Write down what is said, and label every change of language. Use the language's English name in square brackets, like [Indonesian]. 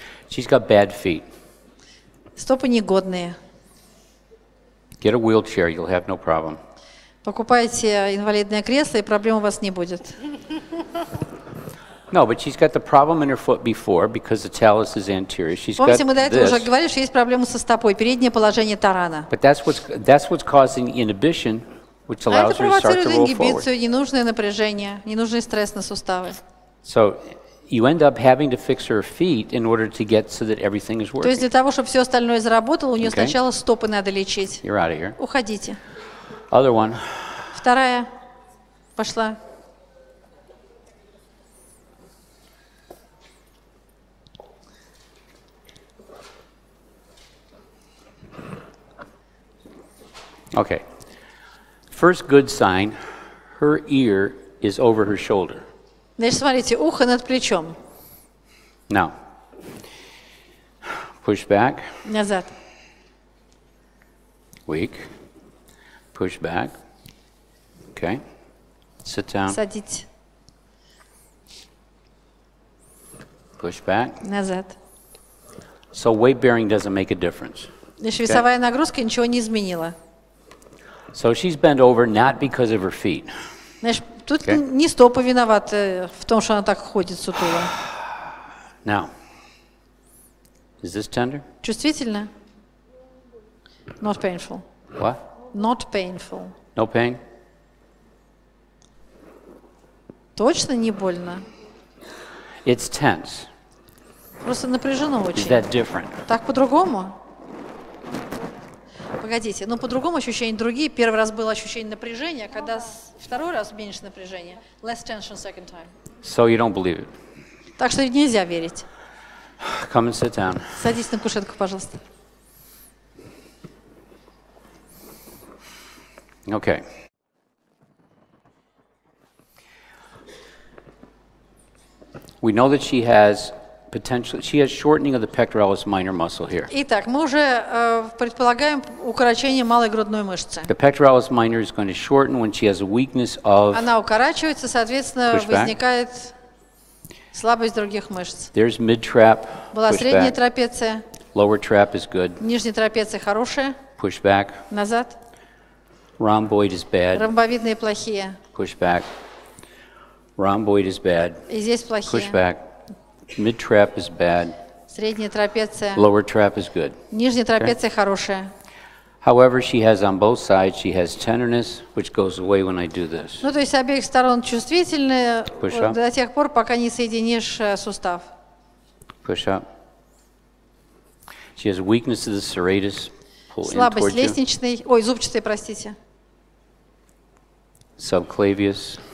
[English] She's got bad feet. [Russian] Стопы негодные. [English] Get a wheelchair, you'll have no problem. [Russian] Покупайте инвалидное кресло, и проблем у вас не будет. [English] No, but she's got the problem in her foot before because the talus is anterior. She's [Russian] Помните, мы до этого уже говорили, что есть проблемы со стопой, переднее положение тарана. [English] But that's what's causing inhibition, which allows her to start to roll forward. [Russian] А это провоцирует ингибицию, ненужное напряжение, ненужный стресс на суставы. [English] So you end up having to fix her feet in order to get so that everything is working. [Russian] То есть для того, чтобы все остальное заработало, у нее сначала стопы надо лечить. [English] You're out of here. [Russian] Уходите. [English] Other one. [Russian] Вторая пошла. [English] Okay. First good sign, her ear is over her shoulder. [Russian] Значит, смотрите, ухо над плечом. [English] Now. Push back. [Russian] Назад. [English] Weak. Push back. Okay. Sit down. [Russian] Садитесь. [English] Push back. [Russian] Назад. [English] So weight bearing doesn't make a difference. [Russian] Значит, весовая нагрузка ничего не изменила. [English] So she's bent over not because of her feet. [Russian] Знаешь, тут не стопы виноваты в том, что она так ходит сутуло. [English] Now, is this tender? [Russian] Чувствительно? [English] Not painful. What? Not painful. No pain? [Russian] Точно не больно? [English] It's tense. [Russian] Просто напряжено очень. [English] Is that different? [Russian] Так по-другому? Погодите, ну по-другому ощущения другие. Первый раз было ощущение напряжения, когда второй раз меньше напряжения. [English] Less tension second time. So you don't believe it. [Russian] Так что нельзя верить. [English] Come and sit down. [Russian] Садитесь на кушетку, пожалуйста. [English] Okay. We know that she has potentially, she has shortening of the pectoralis minor muscle here. [Russian] Итак, мы уже предполагаем укорочение малой грудной мышцы. [English] The pectoralis minor is going to shorten when she has a weakness of. [Russian] Она укорачивается, соответственно, возникает слабость других мышц. [English] There's mid trap. [Russian] Была средняя трапеция. [English] Lower trap is good. [Russian] Нижняя трапеция хорошая. [English] Push back. [Russian] Назад. [English] Rhomboid is bad. [Russian] Ромбовидные плохие. [English] Push back. Rhomboid is bad. [Russian] И здесь плохие. [English] Push back. Mid trap is bad. [Russian] Средняя трапеция. [English] Lower trap is good. [Russian] Нижняя трапеция хорошая. [English] However, she has on both sides, she has tenderness, which goes away when I do this. [Russian] Ну, то есть обеих сторон чувствительны до тех пор, пока не соединишь сустав. [English] Push up. She has weakness of the serratus. [Russian] Слабость лестничной, ой, зубчатой, простите. [English] Subclavius.